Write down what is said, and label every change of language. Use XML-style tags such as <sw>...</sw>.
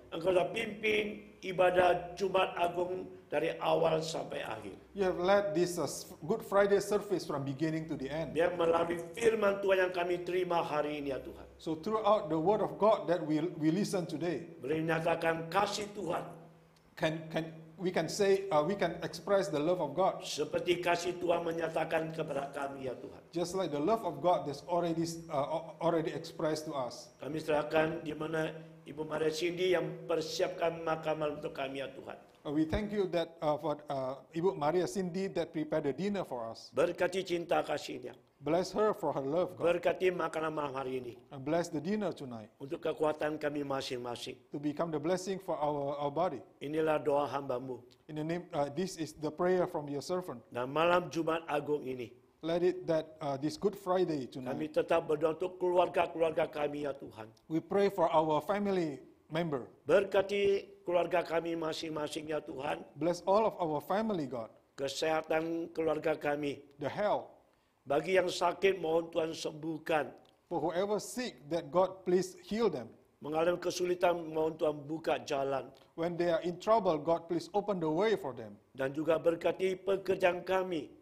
<id>Engkau telah pimpin ibadah Jumat Agung dari awal sampai akhir.</id> <en>You have led this Good Friday service from beginning to the end.</en> <id>Biar melalui firman Tuhan yang kami terima hari ini ya Tuhan.</id> <en>So throughout the word of God that we listen today.</en> <id>Boleh nyatakan kasih Tuhan.</id> <en>We can express the love of God.</en> <id>Seperti kasih Tuhan menyatakan kepada kami ya Tuhan.</id> <en>Just like the love of God that's already expressed to us.</en> <id>Kami serahkan di mana Ibu Maria Cindy yang persiapkan makamal untuk kami ya Tuhan.</id> <en>We thank you that for Ibu Maria Cindy that prepared the dinner for us.</en> <id>Berkati cinta kasihnya.</id> <en>Bless her for her love, God.</en> <id>Berkati makanan malam hari ini.</id> <en>And bless the dinner tonight.</en> <id>Untuk kekuatan kami masing-masing.</id> <en>To become the blessing for our body.</en> <id>Inilah doa hambamu.</id> <en>In the name, this is the prayer from your servant.</en> <id>Dan malam Jumat Agung ini.</id> <en>Let it that this Good Friday tonight.</en> <id>Kami tetap berdoa untuk keluarga-keluarga kami ya Tuhan.</id> <en>We pray for our family member.</en> <id>Berkati keluarga kami masing-masing ya Tuhan.</id> <en>Bless all of our family, God.</en> <id>Kesehatan keluarga kami.</id> <en>The health.</en> <id>Bagi yang sakit mohon Tuhan sembuhkan.</id> <en>For whoever sick that God please heal them.</en> <id>Mengalami kesulitan mohon Tuhan buka jalan.</id> <en>When they are in trouble, God please open the way for them.</en> <id>Dan juga berkati pekerjaan kami.</id>